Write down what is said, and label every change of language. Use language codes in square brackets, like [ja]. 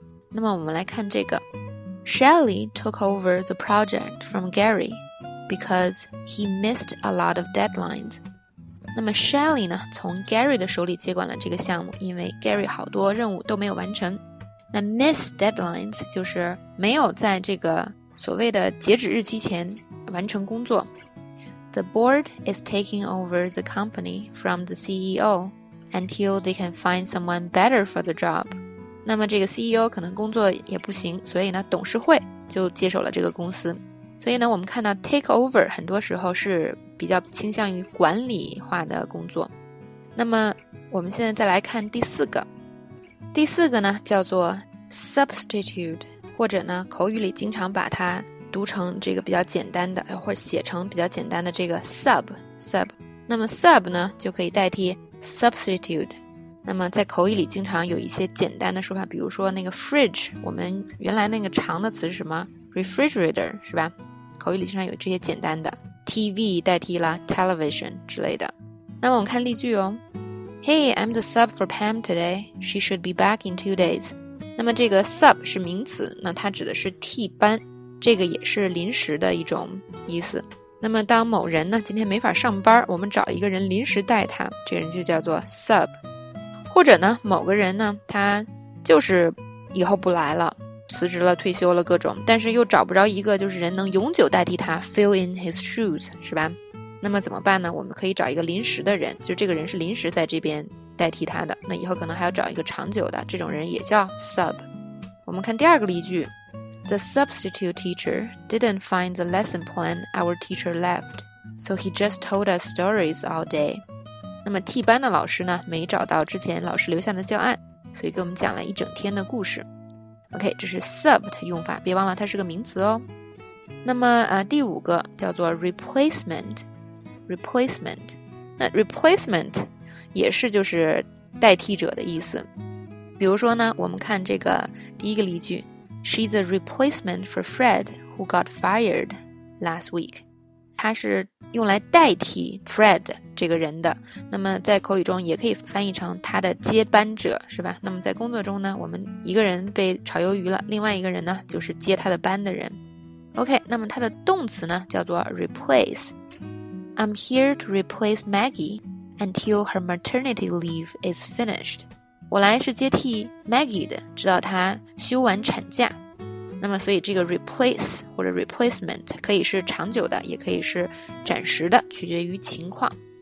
[zh] 那么我们来看这个 [en] Shelley took over the project from Gary because he missed a lot of deadlines。 [zh] 那么 Shelley 呢，从 Gary 的手里接管了这个项目，因为 Gary 好多任务都没有完成。那 miss deadlines 就是没有在这个所谓的截止日期前完成工作。 [en] The board is taking over the company from the CEO until they can find someone better for the job. [zh] 那么这个 CEO 可能工作也不行，所以呢董事会就接手了这个公司。所以呢我们看到 take over 很多时候是比较倾向于管理化的工作。那么我们现在再来看第四个。第四个呢叫做 substitute， 或者呢口语里经常把它读成这个比较简单的，或者写成比较简单的这个 sub。那么 sub 呢就可以代替 substitute。那么在口语里经常有一些简单的说法，比如说那个 fridge， 我们原来那个长的词是什么？ refrigerator 是吧？口语里经常有这些简单的 TV 代替了 television 之类的。那么我们看例句哦。 [en] Hey, I'm the sub for Pam today. She should be back in 2 days. [zh] 那么这个 sub 是名词，那它指的是替班，这个也是临时的一种意思。那么当某人呢今天没法上班，我们找一个人临时带他，这个人就叫做 sub。或者呢某个人呢他就是以后不来了，辞职了，退休了，各种，但是又找不着一个就是人能永久代替他 fill in his shoes， 是吧？那么怎么办呢？我们可以找一个临时的人，就这个人是临时在这边代替他的，那以后可能还要找一个长久的，这种人也叫 sub。我们看第二个例句。 [en] The substitute teacher didn't find the lesson plan our teacher left, so he just told us stories all day. [zh] 那么替班的老师呢没找到之前老师留下的教案，所以给我们讲了一整天的故事。 OK， 这是 sub 的用法，别忘了它是个名词哦。那么第五个叫做 replacement。那 replacement 也是就是代替者的意思。比如说呢我们看这个第一个例句。 [en] She's a replacement for Fred who got fired last week. [zh] 她是用来代替 Fred 这个人的，那么在口语中也可以翻译成她的接班者，是吧？那么在工作中呢，我们一个人被炒鱿鱼了，另外一个人呢就是接她的班的人。 OK， 那么她的动词呢叫做 replace。 [en] I'm here to replace Maggie until her maternity leave is finished. [zh] 我来是接替 Maggie 的，直到她休完产假。那么所以这个 replace 或者 replacement 可以是长久的，也可以是暂时的，取决于情况。